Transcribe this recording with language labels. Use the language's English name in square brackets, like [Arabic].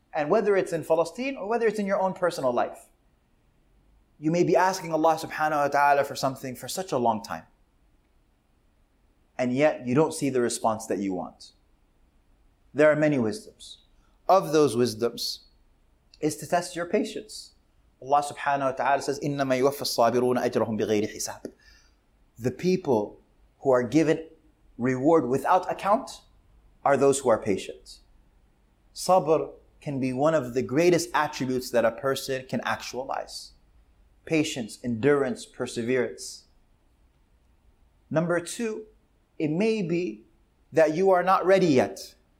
[English] And whether it's in Palestine or whether it's in your own personal life, you may be asking Allah subhanahu wa ta'ala for something for such a long time, and yet you don't see the response that you want. There are many wisdoms. Of those wisdoms is to test your patience. [Arabic] Allah subhanahu wa ta'ala says, إِنَّمَا يُوَفَّ الصَّابِرُونَ أَجْرَهُمْ بِغَيْرِ حِسَابٍ. [English] The people who are given reward without account are those who are patient. Sabr can be one of the greatest attributes that a person can actualize. Patience, endurance, perseverance. Number two, it may be that you are not ready yet.